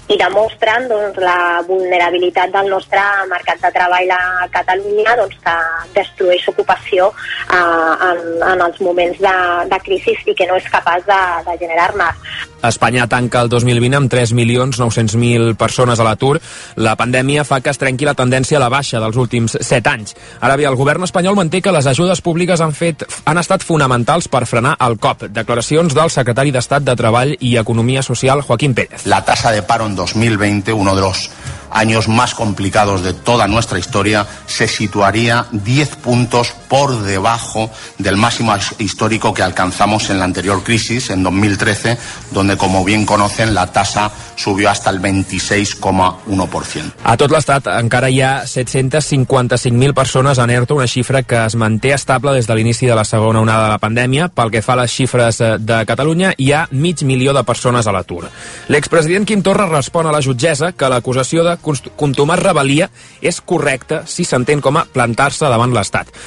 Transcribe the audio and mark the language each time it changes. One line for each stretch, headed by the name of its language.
Catalan: I demostren doncs, la vulnerabilitat del nostre mercat de treball a Catalunya, doncs, que destrueix ocupació en els moments de crisi i que no és capaç de generar-ne. Espanya tanca el 2020 amb 3.900.000 persones a l'atur. La pandèmia fa que es trenqui la tendència a la baixa dels últims 7 anys. Ara bé, el govern espanyol manté que les ajudes públiques han estat fonamentals per frenar el cop. Declaracions del secretari d'Estat de Treball i Economia Social, Joaquín Pérez.
Spanish: La tasa de paro en 2020, uno de los años más complicados de toda nuestra historia, se situaría 10 puntos por debajo del máximo histórico que alcanzamos en la anterior crisis, en 2013, donde, como bien conocen, la tasa subió hasta el 26,1%.
Catalan: A tot l'estat encara hi ha 755.000 persones en ERTO, una xifra que es manté estable des de l'inici de la segona onada de la pandèmia. Pel que fa a les xifres de Catalunya, hi ha 500.000 de persones a l'atur. L'expresident Quim Torra respon a la jutgessa que l'acusació de contumar rebel·lia és correcta si s'entén com a plantar-se davant l'Estat.